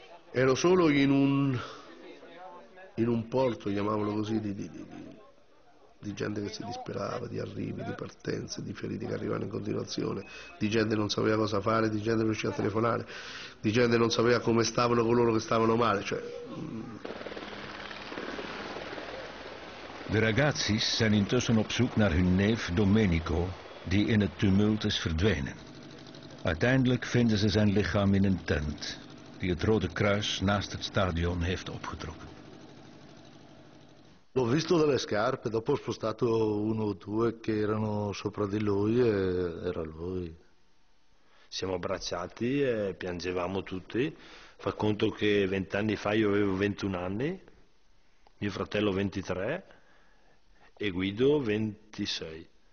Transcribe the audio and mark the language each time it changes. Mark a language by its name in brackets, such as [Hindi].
[Italian] Ero solo in un porto, chiamavolo così, di gente che si disperava, di arrivi, di partenze, di feriti che arrivavano in continuazione, di gente che non sapeva cosa fare, di gente che riusciva a telefonare, di gente che non sapeva come stavano coloro che stavano male. Cioè... [Dutch] De ragazzi's zijn intussen op zoek naar hun neef Domenico, die in het tumult is verdwenen. Uiteindelijk vinden ze zijn lichaam in een tent, die het Rode Kruis naast het stadion heeft opgetrokken. [Italian] L'ho visto dalle scarpe, dopo ho spostato uno o due che erano sopra di lui e era lui. Siamo abbracciati e piangevamo tutti. Fa conto che 20 anni fa io avevo 21 anni, mio fratello 23 e Guido 26.